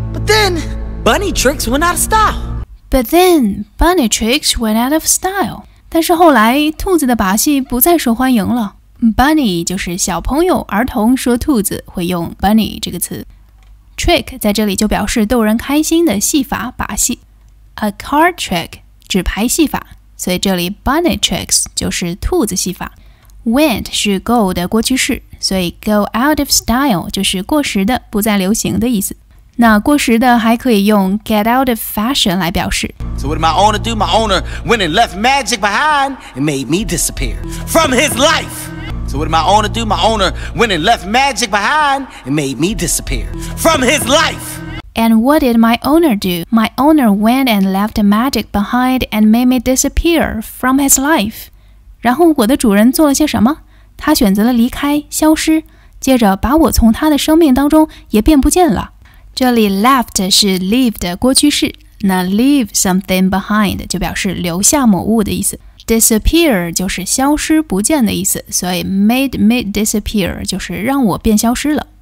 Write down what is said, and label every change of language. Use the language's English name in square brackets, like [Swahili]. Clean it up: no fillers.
[English] But then, bunny tricks went out of style. But then, bunny tricks went out of style. [Chinese] 但是后来，兔子的把戏不再受欢迎了。 Bunny 就是小朋友、儿童说兔子会用 bunny 这个词。 Trick 在这里就表示逗人开心的戏法、把戏。 [English] A card trick [Chinese] 纸牌戏法，所以这里 [English] bunny tricks [Chinese] 就是兔子戏法。 Went 是 go 的过去式，所以 [English] go out of style [Chinese] 就是过时的、不再流行的意思。那过时的还可以用 [English] get out of fashion [Chinese] 来表示。 [English] So what did my owner do? My owner went and left magic behind and made me disappear from his life. So what did my owner do? My owner went and left magic behind and made me disappear from his life. And what did my owner do? My owner went and left magic behind and made me disappear from his life. [Chinese] 然后我的主人做了些什么？他选择了离开、消失，接着把我从他的生命当中也变不见了。这里 left 是 leave 的过去式，那 [English] leave something behind [Chinese] 就表示留下某物的意思。 Disappear 就是消失、不见的意思，所以 [English] made me disappear [Chinese] 就是让我变消失了。